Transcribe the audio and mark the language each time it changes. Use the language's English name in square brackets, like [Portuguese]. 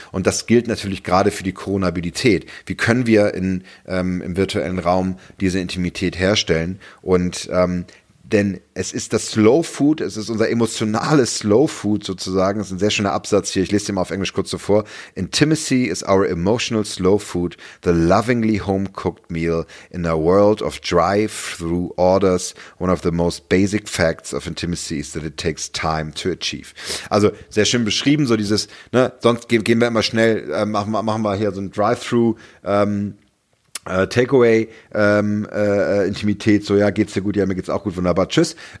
[German] Und das gilt natürlich gerade für die Coronabilität. Wie können wir im virtuellen Raum diese Intimität herstellen? Und denn es ist das Slow Food, es ist unser emotionales Slow Food sozusagen. Das ist ein sehr schöner Absatz hier, ich lese den mal auf Englisch kurz so vor. [English] Intimacy is our emotional slow food, the lovingly home-cooked meal in a world of drive-through orders. One of the most basic facts of intimacy is that it takes time to achieve. [German] Also sehr schön beschrieben, so dieses, ne, sonst gehen wir immer schnell, machen wir hier so ein Drive-through Takeaway, Intimität, so, ja, geht's dir gut, ja, mir geht's auch gut, wunderbar, tschüss.